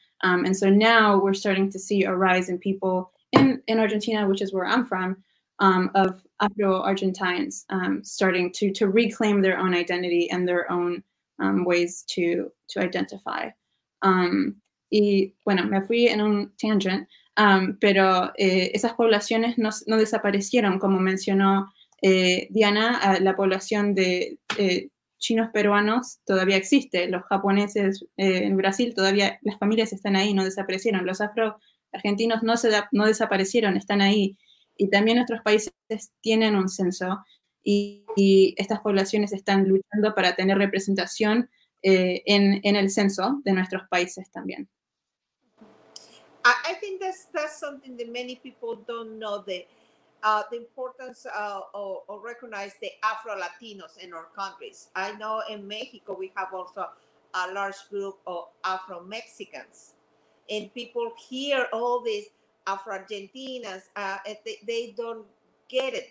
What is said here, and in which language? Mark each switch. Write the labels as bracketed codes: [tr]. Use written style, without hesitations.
[en] And so now we're starting to see a rise in people in Argentina, which is where I'm from, of Afro-Argentines starting to reclaim their own identity and their own ways to identify. [es] Y bueno, me fui en un tangent. Pero esas poblaciones no desaparecieron, como mencionó Diana, la población de chinos peruanos todavía existe, los japoneses en Brasil todavía, las familias están ahí, no desaparecieron, los afro-argentinos no desaparecieron, están ahí, y también nuestros países tienen un censo, y estas poblaciones están luchando para tener representación en el censo de nuestros países también. [en] I think that's something that many people don't know, the importance or recognize the Afro-Latinos in our countries. I know in Mexico we have also a large group of Afro-Mexicans, and people hear all these Afro-Argentinas, they don't get it.